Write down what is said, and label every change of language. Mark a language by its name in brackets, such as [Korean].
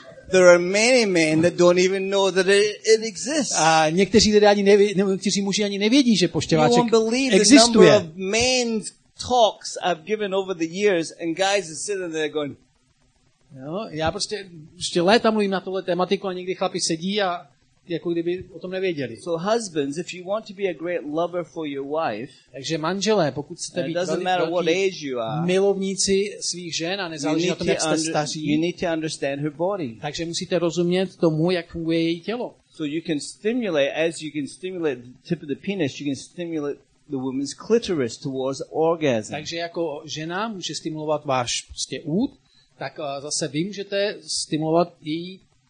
[English] There are many men that don't even know that it exists. [Czech] A někteří muži ani nevědí, že poštěváček existuje. [English] You won't believe [Czech] existuje. [English] The number of men's talks I've given over the years, and guys are sitting there going, [Czech] no, já prostě léta mluvím na tohle tématiku a někdy chlapi sedí a jako kdyby o tom nevěděli. [English] So husbands, if you want to be a great lover for your wife, [Czech] takže manželé, pokud chcete být velký milovníci svých žen a nezáleží na tom, jak jste staří, [English] you need to understand her body. [Czech] Takže musíte rozumět tomu, jak funguje její tělo. [English] So you can stimulate, as you can stimulate the tip of the penis, you can stimulate the woman's clitoris towards orgasm. [Czech] Takže jako žena může stimulovat váš prostě út, tak zase vy můžete stimulovat její